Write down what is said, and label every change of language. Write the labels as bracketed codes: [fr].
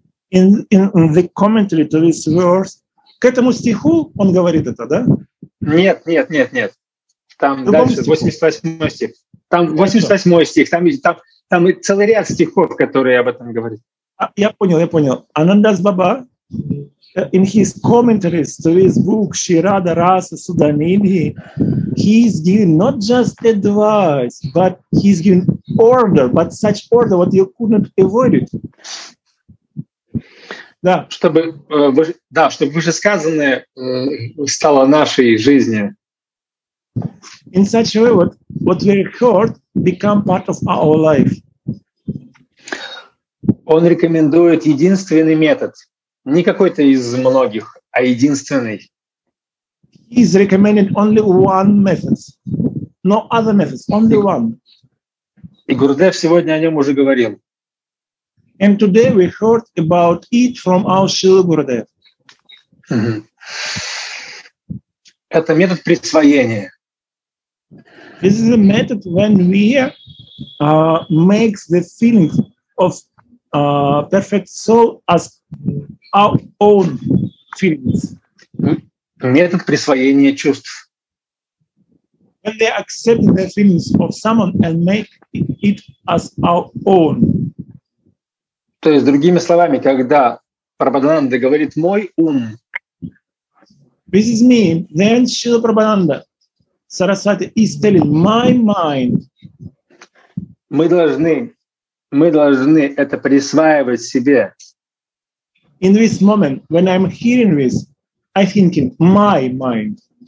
[en] In the commentary to this verse, [ru] к этому стиху он говорит это, да? Нет. Там дальше 88 стих. Там 88 стих. Там целый ряд стихов, которые об этом говорят. Я понял. [en] Анандас Баба in his commentaries to his book Shirada Rasa Sudanidhi, he is giving not just advice, but he's giving order, but such order what you couldn't avoid it. [ru] Да. Чтобы вышесказанное стало нашей жизнью. [en] In such a way, what we heard become part of our life. [ru] Он рекомендует единственный метод, не какой-то из многих, а единственный. [en] He is recommending only one method, no other methods, only one. [ru] И Гурудев сегодня о нем уже говорил. [en] And today we heard about it from our Шрила Гурудев. [ru] Это метод присвоения. [en] This is a method when we makes the feeling of perfect soul as our own feelings. [ru] Метод присвоения чувств. [en] When they accept the feelings of someone and make it as our own. [ru] То есть, другими словами, когда Прабхананда говорит «мой ум». [en] This is me. Then Srila Prabhananda Sarasvati is telling my mind. [ru] Мы должны это присваивать себе. [en] in this moment, when I'm hearing this, I'm thinking, my mind.